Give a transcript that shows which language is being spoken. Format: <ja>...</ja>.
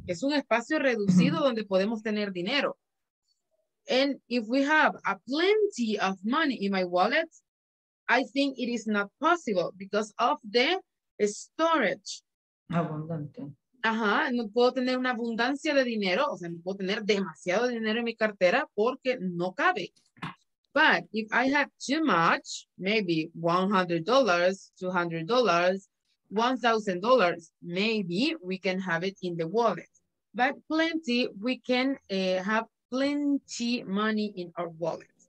<es>Es un espacio reducido donde podemos tener dinero.</es> <en>And if we have a plenty of money in my wallet, I think it is not possible because of the storage.</en> <es>Abundante. Ajá, no puedo tener una abundancia de dinero, o sea, no puedo tener demasiado dinero en mi cartera porque no cabe.</es> <en>But if I have too much, maybe $100, $200, $1,000, maybe we can have it in the wallet. But plenty, we can have plenty money in our wallet.</en>